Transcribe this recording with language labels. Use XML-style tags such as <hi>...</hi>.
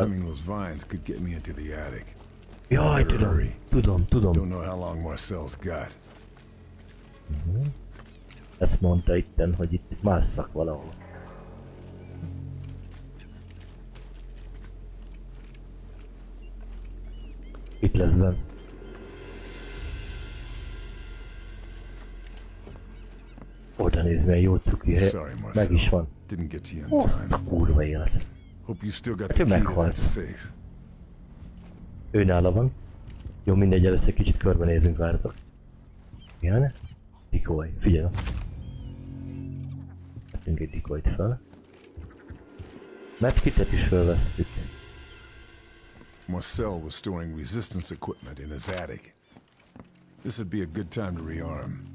<en>Climbing those vines could get me into the attic.</en> <hu>Jaj, tudom. Tudom, tudom.</hu> <en>Don't know how long Marcel's got.</en> <hu>Ezt mondta itten, hogy itt másszak valahol. Itt lesz benn. Oda nézz, milyen jó cuki hely. Meg is van. Azt a kurva élet. Hát ő meghalt. Ő nála van. Jó, mindegy, először kicsit körbenézünk, várjatok. Igen? Decoy, figyelj. Tettünk egy decoyt fel. Medkitet is felvesszük.</hu> <en>Marcel was storing resistance equipment in his attic. This would be a good time to rearm.</en>